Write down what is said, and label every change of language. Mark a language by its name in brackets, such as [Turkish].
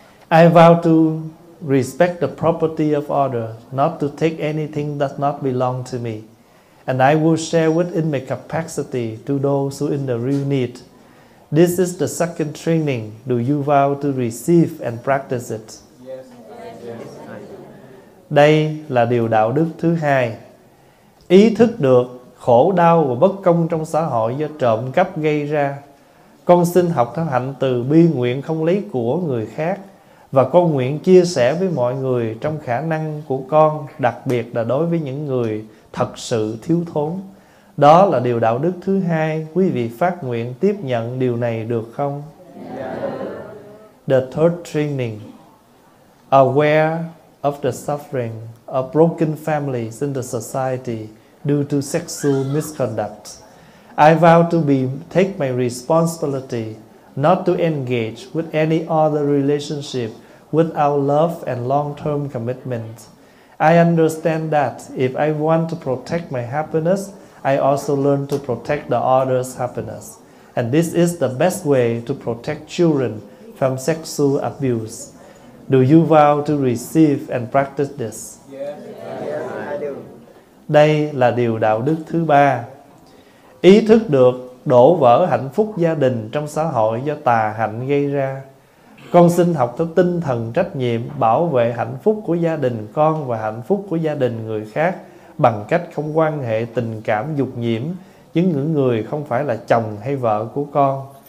[English] I vow to respect the property of others, not to take anything that does not belong to me. And I will share within my capacity to those who in the real need. This is the second training. Do you vow to receive and practice it? Yes. [Vietnamese] Đây là điều đạo đức thứ hai. Ý thức được khổ đau và bất công trong xã hội do trộm cắp gây ra. Con xin học theo hạnh từ bi, nguyện không lấy của người khác. Và con nguyện chia sẻ với mọi người trong khả năng của con, đặc biệt là đối với những người thật sự thiếu thốn. Đó là điều đạo đức thứ hai. Quý vị phát nguyện tiếp nhận điều này được không? [English] Yeah. The third training. Aware of the suffering of broken families in the society due to sexual misconduct. I vow to be take my responsibility not to engage with any other relationship without love and long-term commitment. I understand that if I want to protect my happiness, I also learn to protect the other's happiness. And this is the best way to protect children from sexual abuse. Do you vow to receive and practice this? [Vietnamese] Đây là điều đạo đức thứ ba. Ý thức được đổ vỡ hạnh phúc gia đình trong xã hội do tà hạnh gây ra. Con xin học theo tinh thần trách nhiệm bảo vệ hạnh phúc của gia đình con và hạnh phúc của gia đình người khác bằng cách không quan hệ tình cảm dục nhiễm với những người không phải là chồng hay vợ của con.